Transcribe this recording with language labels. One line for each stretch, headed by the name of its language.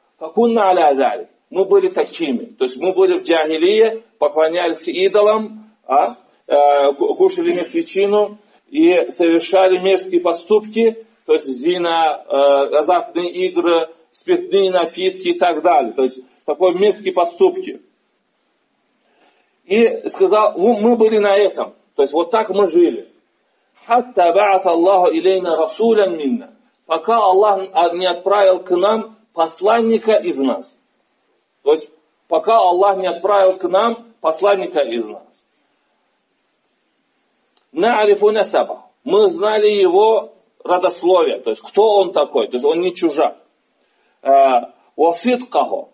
Arabic: «Факунна аля дали».
Russian: Мы были такими. То есть мы были в джахилии, поклонялись идолам, кушали мертвечину и совершали мерзкие поступки. То есть зина, азартные игры, спиртные напитки и так далее. То есть такой мерзкие поступки. И сказал: мы были на этом. То есть вот так мы жили.
Arabic: حتى بعث الله إلينا رسولا منا.
Russian: Пока Аллах не отправил к нам посланника из нас. То есть, пока Аллах не отправил к нам посланника из нас.
Arabic: نعرف نسبه.
Russian: Мы знали его родословие. То есть, кто он такой? То есть, он не чужак.
Arabic: وصدقه.